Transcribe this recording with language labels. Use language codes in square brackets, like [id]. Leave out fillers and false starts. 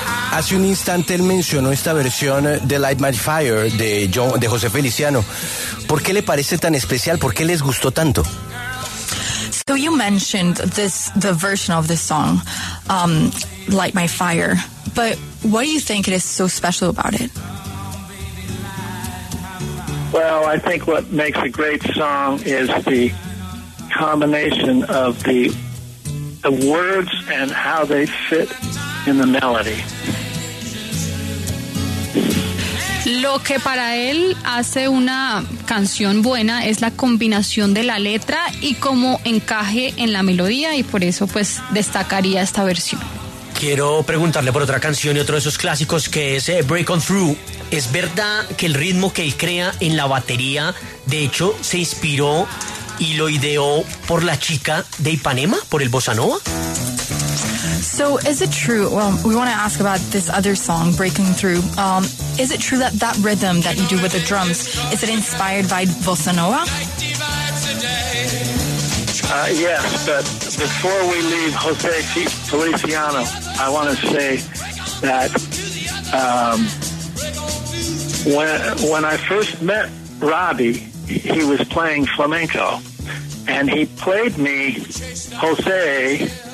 [es] Hace un instante él mencionó esta versión de Light My Fire de José Feliciano. ¿Por qué le parece tan especial? ¿Por qué les gustó tanto? [en] So you mentioned the version of this song, Light My Fire. But what do you think it is so special about it? Well, I think what makes a great song is the combination of the words and how they fit in the melody. [es] Lo que para él hace una canción buena es la combinación de la letra y cómo encaje en la melodía, y por eso pues destacaría esta versión. Quiero preguntarle por otra canción y otro de esos clásicos, que es Break On Through. ¿Es verdad que el ritmo que él crea en la batería, de hecho, se inspiró y lo ideó por la chica de Ipanema, por el bossa nova? [en] So is it true, well, we want to ask about this other song, Breaking Through. Is it true that rhythm that you do with the drums, is it inspired by bossa nova? Yes, but before we leave José Feliciano, I want to say that when I first met Robbie, he was playing flamenco, and he played me José.